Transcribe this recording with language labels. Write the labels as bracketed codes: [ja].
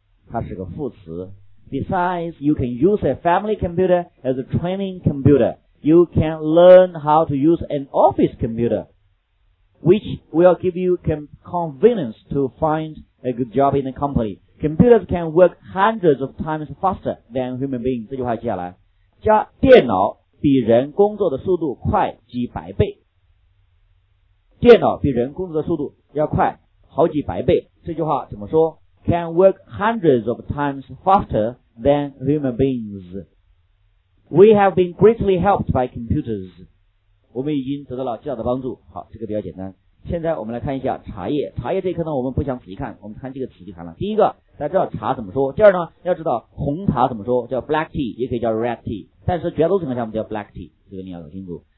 [zh] 它是个副词。 [en] Besides, you can use a family computer as a training computer. You can learn how to use an office computer, which will give you convenience to find a good job in a company. Computers can work hundreds of times faster than human beings. [zh] 这句话接下来，加电脑比人工作的速度快几百倍。电脑比人工作的速度要快好几百倍。这句话怎么说？ [en] Can work hundreds of times faster than human beings. We have been greatly helped by computers. [zh] 我们已经得到了巨大的帮助。好，这个比较简单。现在我们来看一下茶叶。茶叶这一课呢，我们不想仔细看，我们看几个词就谈了。第一个，大家知道茶怎么说？第二呢，要知道红茶怎么说，叫 black tea, 也可以叫 red tea, 但是绝大多数情况下我们叫 black tea, 这个你要搞清楚。